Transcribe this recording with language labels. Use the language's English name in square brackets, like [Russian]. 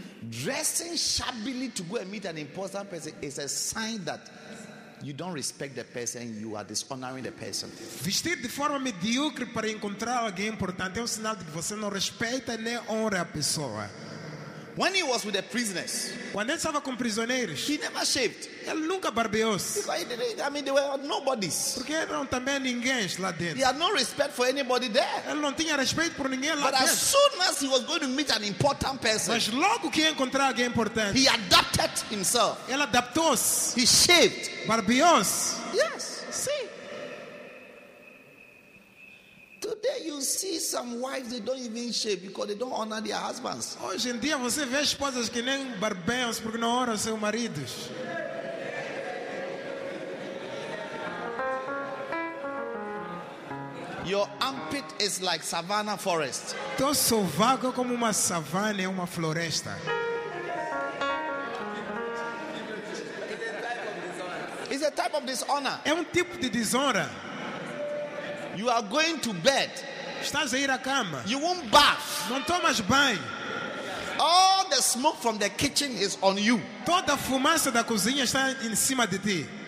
[English] Dressing shabbily to go and meet an important person is a sign that you don't respect the person, you are dishonoring the person. [Portuguese] Vestir de forma medíocre para encontrar alguém importante é um sinal de que você não respeita nem honra a pessoa. [English] When he was with the prisoners, [Portuguese] quando ele estava com prisioneiros, [English] he never shaved. [Portuguese] Ele nunca barbeou-se. [English] Because he didn't, they were nobodies. [Portuguese] Porque eram também ninguém lá dentro. [English] He had no respect for anybody there. [Portuguese] Ele não tinha respeito por ninguém lá [English] but [Portuguese] dentro. [English] As soon as he was going to meet an important person, [Portuguese] mas logo que ia encontrar alguém importante, [English] he adapted himself. [Portuguese] Ele adaptou-se. [English] He shaved. [Portuguese] Barbeou-se. [English] Yes. See. Today you see some wives, they don't even shave because they don't honor their husbands. [Portuguese] Hoje em dia você vê esposas que nem barbeiam-se porque não honram seus maridos. [English] Your armpit is like savanna forest. [Portuguese] Teu sovaco como uma savana, é uma floresta. [English] It's a type of dishonor. [Portuguese] É um tipo de desonra. [English] You are going to bed. [Portuguese] Estás a ir à cama. [English] You won't bath. [Portuguese] Não tomas banho. [English] All the smoke from the kitchen is on you. [Portuguese] Toda a fumaça da cozinha está em cima de ti.